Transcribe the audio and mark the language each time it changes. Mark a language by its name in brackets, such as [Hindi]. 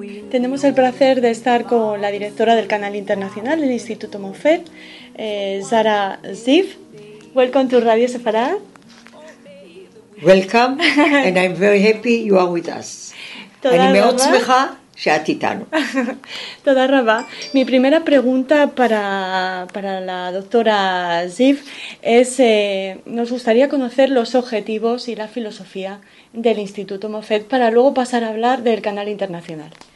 [Spanish] Tenemos el placer de estar con la directora del canal internacional del Instituto MOFET, Sara Ziv. [English] Welcome to Radio Sefarad. Welcome, and I'm very happy you are with us. [Hebrew] Toda rabá. [Spanish] Mi primera pregunta para la doctora Ziv es, nos gustaría conocer los objetivos y la filosofía del Instituto MOFET para luego pasar a hablar del canal internacional.